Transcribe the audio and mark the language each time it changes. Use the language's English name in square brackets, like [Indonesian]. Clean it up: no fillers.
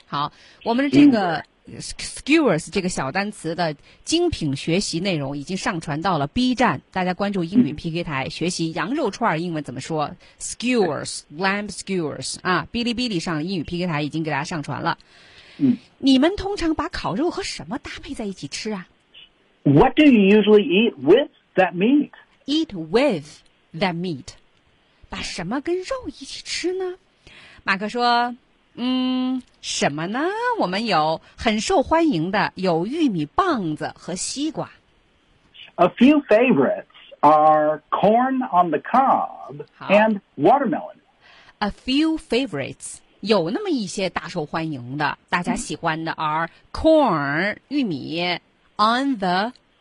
[Chinese] 好，我们的这个skewers 这个小单词的精品学习内容已经上传到了 B 站，大家关注英语 PK 台，学习羊肉串英文怎么说 skewers lamb skewers 啊，哔哩哔哩上英语 PK 台已经给大家上传了。嗯，你们通常把烤肉和什么搭配在一起吃啊？ [English] What do you usually eat with that meat? Eat with that meat， [Chinese] 把什么跟肉一起吃呢？马克说什么呢？我们有很受欢迎的有玉米棒子和西瓜。 [English] A few favorites are corn on the cob and watermelon. A few favorites [Chinese] 有那么一些大受欢迎的，大家喜欢的 are corn 玉米 on the